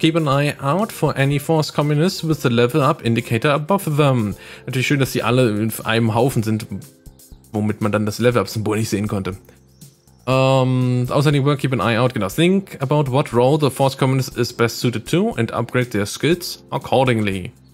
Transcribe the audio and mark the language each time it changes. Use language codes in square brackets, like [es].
[en] Keep an eye out for any Force Communists with the level up indicator above them. [de] Natürlich schön, dass sie alle auf einem Haufen sind, womit man dann das Level up Symbol nicht sehen konnte. [en] Outstanding work. Keep an eye out. Genau. Think about what role the Force Communist is best suited to and upgrade their skills accordingly.